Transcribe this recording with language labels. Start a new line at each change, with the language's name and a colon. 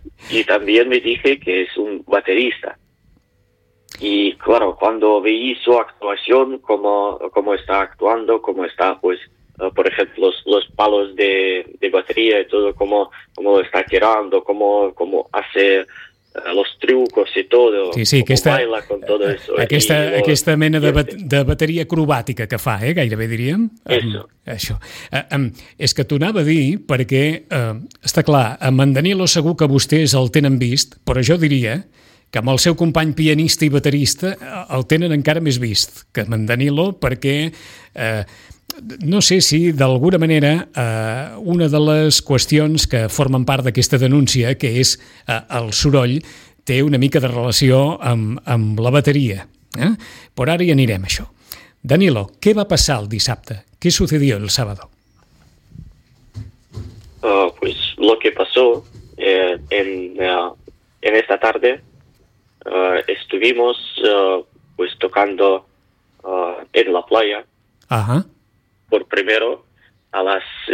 Spanish: Y también me dije que es un baterista. Y claro, cuando vi su actuación, cómo está actuando, cómo está, pues, por ejemplo, los palos de batería y todo, cómo lo está tirando, cómo hace los trucos y todo,
Catalan: sí, sí, aquesta,
Spanish: cómo baila con todo eso.
Catalan: Aquesta mena de bateria acrobàtica que fa, gairebé diríem. Això. És que t'ho anava a dir perquè, està clar, amb en Danilo segur que vostès el tenen vist, però jo diria que amb el seu company pianista i baterista el tenen encara més vist que amb en Danilo, perquè no sé si d'alguna manera una de les qüestions que formen part d'aquesta denúncia, que és el soroll, té una mica de relació amb la bateria. Però ara hi anirem, això. Danilo, què va passar el dissabte?
Spanish: ¿Qué sucedió el sábado? Pues lo que pasó en esta tarde, estuvimos pues tocando en la playa. Ajá. Por primero a las